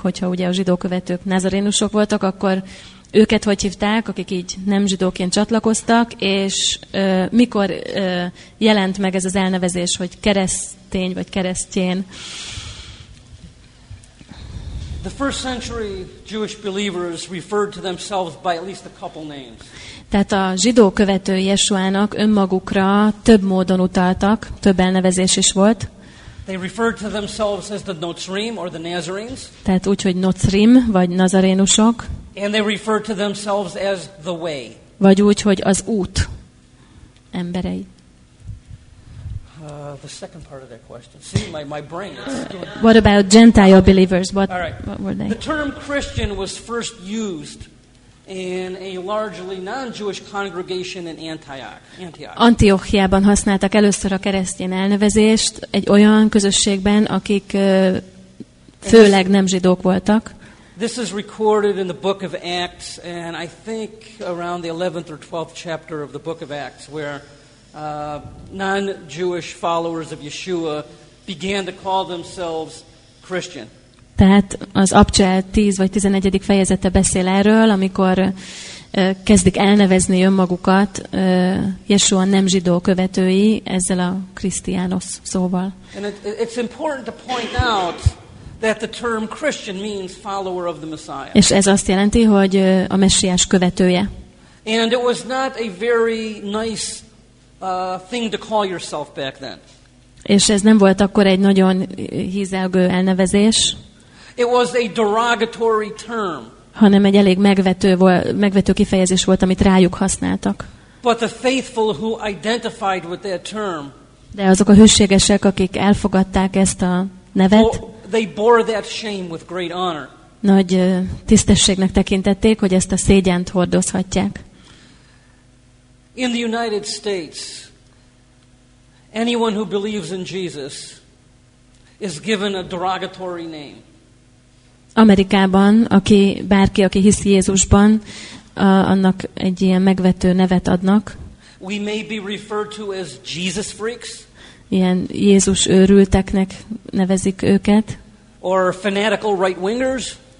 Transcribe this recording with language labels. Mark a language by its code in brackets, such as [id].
[hu] Hogyha ugye a zsidó követők názarénusok voltak, akkor őket hogy hívták, akik így nem zsidóként csatlakoztak, és mikor jelent meg ez az elnevezés, hogy keresztény vagy keresztjén? [en] The first century Jewish believers referred to themselves by at least a couple names. [hu] Tehát a zsidó követő Jesuának önmagukra több módon utaltak, több elnevezés is volt. [en] They referred to themselves as the Nozrim or the Nazarenes. [hu] Tehát úgy, hogy Nozrim vagy Nazarénusok. [en] And they referred to themselves as the way. [hu] Vagy úgy, hogy az út emberei. [en] The second part of that question. See, my brain. What about Gentile believers? What were they? The term Christian was first used in a largely non-Jewish congregation in Antioch. [hu] Antiochiában használtak először a keresztény elnevezést egy olyan közösségben, akik főleg nem zsidók voltak. [en] This is recorded in the book of Acts, and I think around the 11th or 12th chapter of the book of Acts, where non-Jewish followers of Yeshua began to call themselves Christian. [hu] Tehát az Abcsel 10 vagy 11. fejezete beszél erről, amikor kezdik elnevezni önmagukat Yeshua nem zsidó követői ezzel a Krisztiánosz szóval. [en] And it's important to point out that the term Christian means follower of the Messiah. [hu] És ez azt jelenti, hogy a messiás követője. [en] And it was not a very nice thing to call yourself back then. [hu] És ez nem volt akkor egy nagyon hízelgő elnevezés. [en] It was a derogatory term. [hu] Hanem egy elég megvető kifejezés volt, amit rájuk használtak. [en] But the faithful who identified with that term. [hu] De azok a hűségesek, akik elfogadták ezt a nevet. [en] They bore that shame with great honor. [hu] Nagy tisztességnek tekintették, hogy ezt a szégyent hordozhatják. [en] In the United States, anyone who believes in Jesus is given a derogatory name. [hu] Amerikában, aki bárki, aki hisz Jézusban, annak egy ilyen megvető nevet adnak. [en] We may be referred to as Jesus freaks. [hu] Ilyen Jézus őrülteknek nevezik őket. [en] Or fanatical right-wingers.